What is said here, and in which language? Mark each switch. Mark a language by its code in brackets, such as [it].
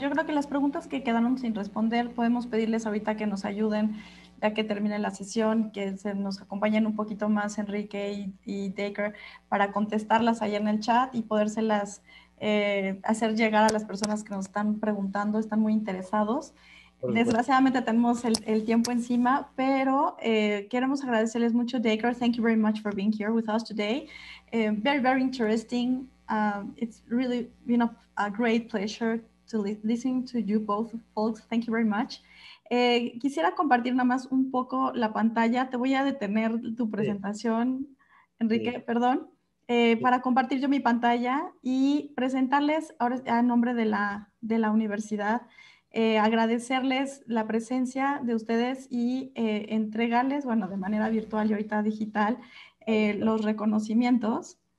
[es] Yo creo que las preguntas que quedaron sin responder, podemos pedirles ahorita que nos ayuden ya que termine la sesión, que se nos acompañen un poquito más Enrique y Daker para contestarlas ahí en el chat y podérselas hacer llegar a las personas que nos están preguntando, están muy interesados. Desgraciadamente tenemos el tiempo encima, pero queremos agradecerles mucho, Daker. [en] Thank you very much for being here with us today. Very, very interesting. It's really been a great pleasure to listen to you both, folks. Thank you very much. [es] Quisiera compartir nada más un poco la pantalla. Te voy a detener tu presentación, sí. Enrique, sí. Perdón, sí. Para compartir yo mi pantalla y presentarles ahora a nombre de la universidad. Agradecerles la presencia de ustedes y entregarles, bueno, de manera virtual y ahorita digital, los reconocimientos.